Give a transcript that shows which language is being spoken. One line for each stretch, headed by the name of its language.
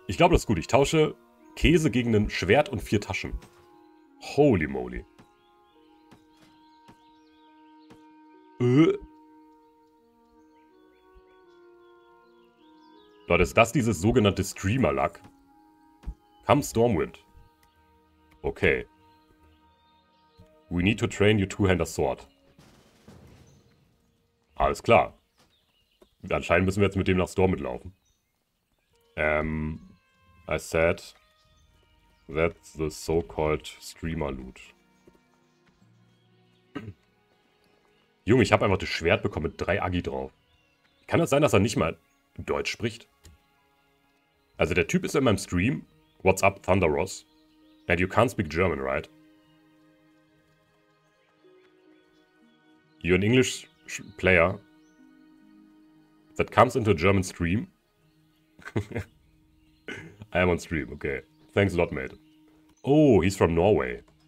German: Ich glaube, das ist gut. Ich tausche Käse gegen ein Schwert und 4 Taschen.
English: Holy moly.
German: Leute, ist das dieses sogenannte Streamer-Luck?
English: Come Stormwind. Okay. We need to train your two-hander sword.
German: Alles klar. Anscheinend müssen wir jetzt mit dem nach Stormwind laufen.
English: I said that's the so-called Streamer Loot.
German: Junge, ich habe einfach das Schwert bekommen mit 3 Agi drauf. Kann das sein, dass er nicht mal Deutsch spricht? Also der Typ ist in meinem Stream.
English: What's up, Thunder Ross? And you can't speak German, right? You're an English player that comes into a German stream. I am on stream, okay. Thanks a lot, mate. Oh, he's from Norway.